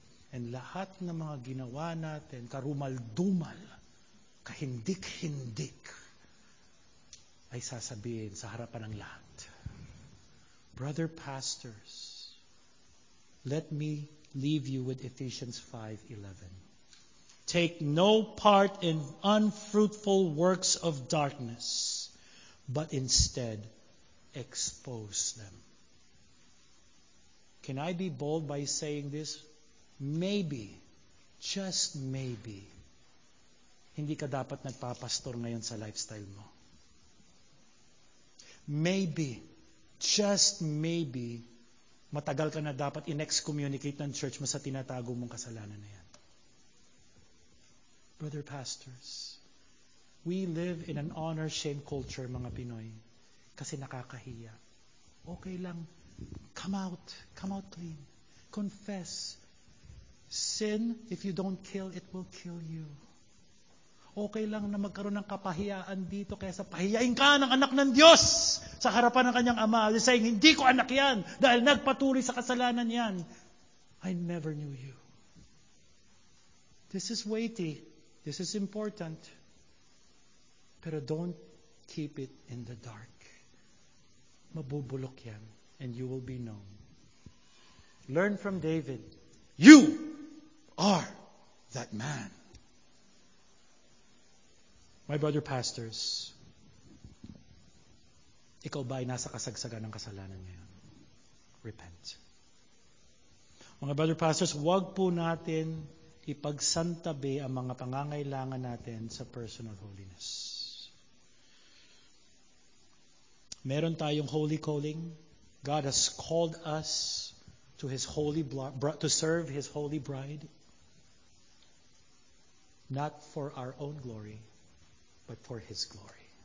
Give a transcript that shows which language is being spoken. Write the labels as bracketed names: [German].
[Filipino] And lahat ng mga ginawa natin, karumaldumal, kahindik-hindik, ay sasabihin sa harapan ng lahat. [English] Brother pastors, let me leave you with Ephesians 5:11. Take no part in unfruitful works of darkness, but instead, expose them. Can I be bold by saying this? Maybe, just maybe, [Filipino] hindi ka dapat nagpapastor ngayon sa lifestyle mo. [English] Maybe, just maybe, [Filipino] matagal ka na dapat in-excommunicate ng church mo sa tinatago mong kasalanan na yan. [English] Brother pastors, we live in an honor-shame culture, [Filipino] mga Pinoy, kasi nakakahiya. [English] Okay lang, come out clean. Confess. Sin, if you don't kill, it will kill you. [Filipino] Okay lang na magkaroon ng kapahiyaan dito kaysa pahiyain ka ng anak ng Diyos sa harapan ng kanyang ama. [English] He's saying, [Filipino] hindi ko anak yan dahil nagpatuloy sa kasalanan yan. [English] I never knew you. This is weighty. This is important. Pero don't keep it in the dark. [Filipino] Mabubulok yan [English] and you will be known. Learn from David. You are that man. [Filipino] My brother pastors, ikaw ba ay nasa kasagsagan ng kasalanan ngayon? [English] Repent. [Filipino] Mga brother pastors, huwag po natin ipagsantabi ang mga pangangailangan natin sa personal holiness. Meron tayong holy calling. [English] God has called us to His holy to serve His holy bride, not for our own glory, but for His glory.